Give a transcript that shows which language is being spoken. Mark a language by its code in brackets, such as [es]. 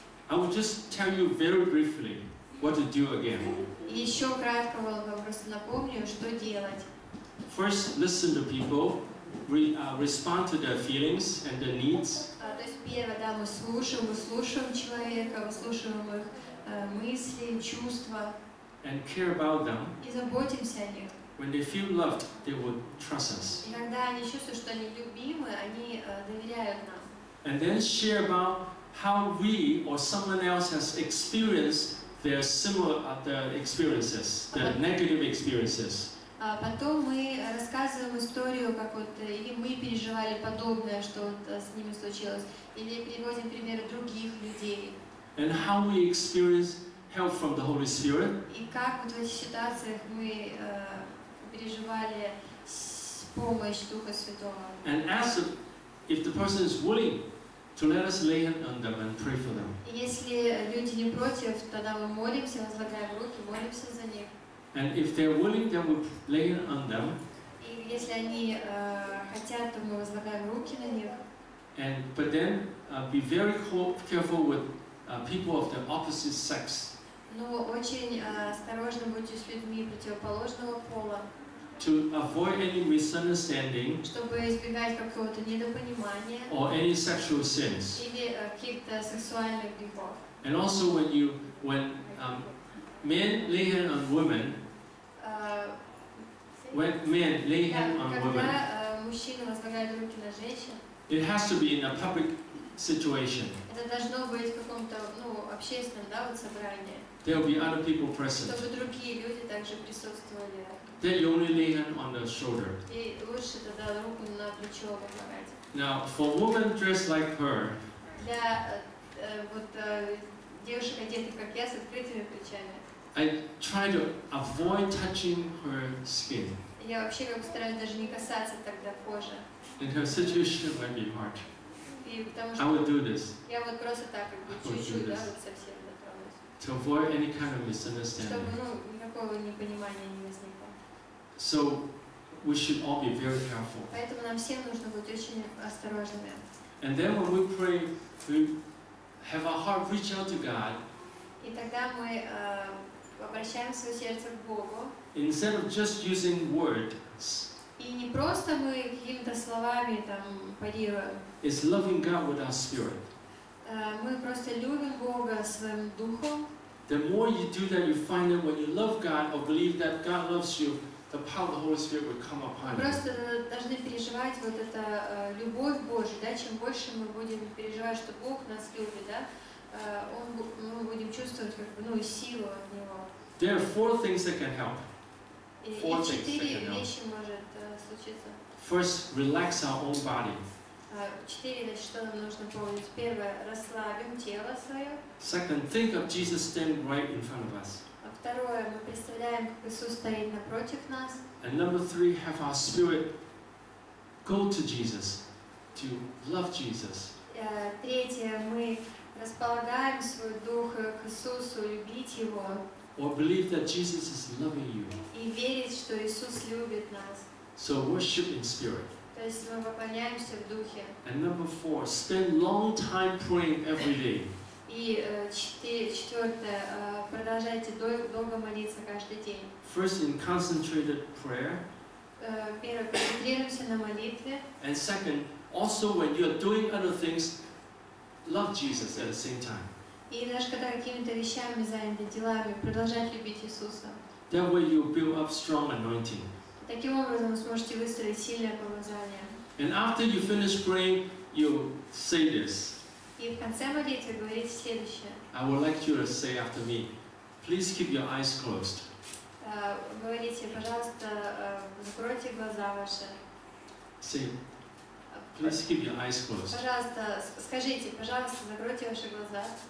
[en] I will just tell you very briefly what to do again. First, listen to people, respond to their feelings and their needs. [ru] первое, да, мы слушаем человека, мы слушаем их мысли, чувства. [en] And care about them. [ru] И заботимся о них. [en] When they feel loved, they would trust us. [ru] И когда они чувствуют, что они любимы, они доверяют нам. [en] And then share about how we or someone else has experienced their similar experiences, their negative experiences. [ru] Потом мы рассказываем историю, как вот или мы переживали подобное, что вот с ними случилось, или приводим примеры других людей. [en] And how we experience help from the Holy Spirit. [ru] И как вот в этих ситуациях мы переживали помощь Духа Святого. [en] And ask if the person is willing to let us lay hands on them and pray for them. [ru] Если люди не против, тогда мы молимся, возлагаем руки, молимся за них. [en] And if they're willing, then we lay it on them. [ru] И если они хотят, то мы возлагаем руки на них. [en] And but then be very careful with people of the opposite sex. [ru] Но очень осторожно будьте с людьми противоположного пола. [en] To avoid any misunderstanding. [ru] Чтобы избегать какого-то недопонимания. [en] Or any sexual sins. [ru] Или каких-то сексуальных грехов. [en] And also when you men lay hand on women. When men lay hand on women, [ru] мужчины возлагают руки на женщин. [en] It has to be in a public situation. [ru] Это должно быть в каком-то, ну, общественном, да, вот собрании. [en] There will be other people present. [ru] Чтобы другие люди также присутствовали. [en] Then you only lay hand on the shoulder. [ru] И лучше тогда руку на плечо возлагать. [en] Now for women dressed like her. [ru] Для вот девушек одетых как я с открытыми плечами. [en] I try to avoid touching her skin. [ru] Я вообще как стараюсь даже не касаться тогда кожи. [en] In her situation, might be hard. [ru] И потому что [en] I would do this. [ru] Я вот просто так, как бы чуть-чуть, да, вот совсем дотронусь. [en] To avoid any kind of misunderstanding. [ru] Чтобы никакого непонимания не возникло. [en] So we should all be very careful. [ru] Поэтому нам всем нужно быть очень осторожными. [en] And then when we pray, we have our heart reach out to God. [ru] И тогда мы обращаем свое сердце к Богу. [en] Instead of just using words. [ru] И не просто мы какими-то словами там парируем. [en] It's loving God with our spirit. [ru] Мы просто любим Бога своим духом. [en] The more you do that, you find that when you love God or believe that God loves you, the power of the Holy Spirit will come upon you. [ru] Просто должны переживать вот это любовь Божию, да? Чем больше мы будем переживать, что Бог нас любит, да? Мы будем чувствовать как бы, ну, силу от него. [en] There are four things that can help. Four things that can help. [ru] Четыре вещи может случиться. [en] First, relax our own body. [ru] Четыре, значит, что нам нужно помнить. Первое, расслабим тело свое. [en] Second, think of Jesus standing right in front of us. [ru] Второе, мы представляем, как Иисус стоит напротив нас. [en] And number three, have our spirit go to Jesus, to love Jesus. [ru] Третье, мы располагаем свой дух к Иисусу, любить Его. [en] Or believe that Jesus is loving you. [ru] И верить, что Иисус любит нас. [en] So worship in spirit. [ru] То есть мы поклоняемся в духе. [en] And number four, spend long time praying every day. [ru] И четвертое, продолжайте долго молиться каждый день. [en] First, in concentrated prayer. [ru] Первое, концентрируемся на молитве. [en] And second, also when you are doing other things, love Jesus at the same time. [ru] И даже когда какими-то вещами заняты, делами, продолжать любить Иисуса. [en] That way you build up strong anointing. [ru] Таким образом вы сможете выстроить сильное помазание. [en] And after you finish praying, you say this. [ru] И в конце молитвы говорите следующее. [en] I would like you to say after me, please keep your eyes closed. [ru] Говорите, пожалуйста, закройте глаза ваши. [en] Say. Please keep your eyes closed. [ru] Пожалуйста, скажите, пожалуйста, закройте ваши глаза.